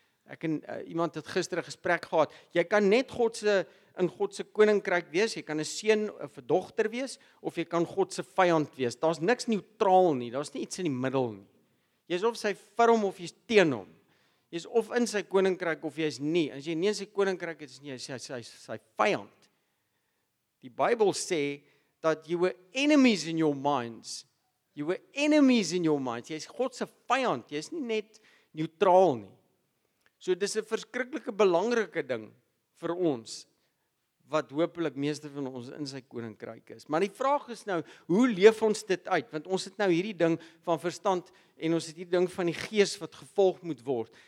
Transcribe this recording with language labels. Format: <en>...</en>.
<af>Ek en iemand het gister 'n gesprek gehad. Jy kan net God se in God se koninkryk wees. Jy kan 'n seun of 'n dogter wees of jy kan God se vijand wees. Daar's niks neutraal nie. Daar's nie iets in die middel nie. Jy is of sy vir hom of jy's teen hom. Jy is of in sy koninkryk of jy is nie. As jy nie in sy koninkryk is nie, jy is sy vijand. Die Bybel sê dat</af> <en>you were enemies in your minds. You were enemies in your minds.</en> <af>Jy is God se vijand. Jy is nie net neutraal nie. So dis 'n verskriklike belangrike ding vir ons wat hopelik meeste van ons in sy koninkryk is. Maar die vraag is nou, hoe leef ons dit uit? Want ons het nou hierdie ding van verstand en ons het hierdie ding van die Gees wat gevolg moet word.</af>